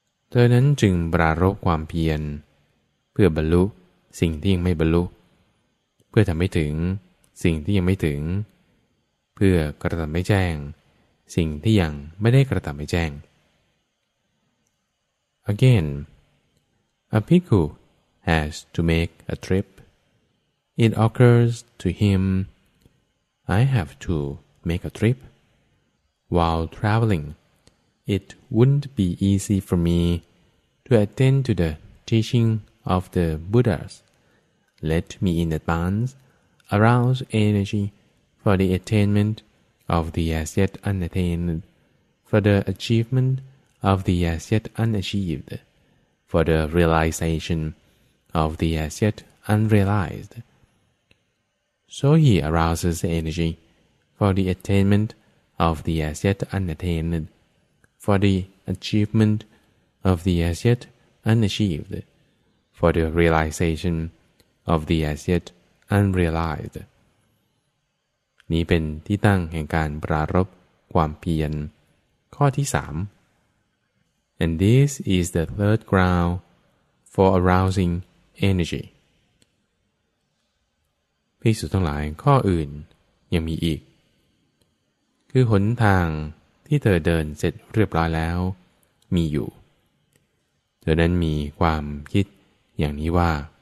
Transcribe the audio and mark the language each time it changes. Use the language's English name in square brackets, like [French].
[Thai] เธอนั้นจึงปรารภความเพียรเพื่อบรรลุสิ่งที่ยังไม่บรรลุเพื่อทำให้ถึงสิ่งที่ยังไม่ถึงเพื่อกระทำให้แจ้งสิ่งที่ยังไม่ได้กระทำให้แจ้ง [English] Again, a bhikkhu has to make a tripIt occurs to him, I have to make a trip. While traveling, it wouldn't be easy for me to attend to the teaching of the Buddhas. Let me in advance arouse energy for the attainment of the as yet unattained, for the achievement of the as yet unachieved, for the realization of the as yet unrealized. So he arouses energy for the attainment of the as yet unattained, for the achievement of the as yet unachieved, for the realization of the as yet unrealized. [Thai] นี้เป็นที่ตั้งแห่งการปรารภความเพียรข้อที่สาม [English] And this is the third ground for arousing energy. [Thai] ภิกษุทั้งหลายข้ออื่นยังมีอีกคือหนทางที่เธอเดินเสร็จเรียบร้อยแล้วมีอยู่เธอนั้นมีความคิดอย่างนี้ว่า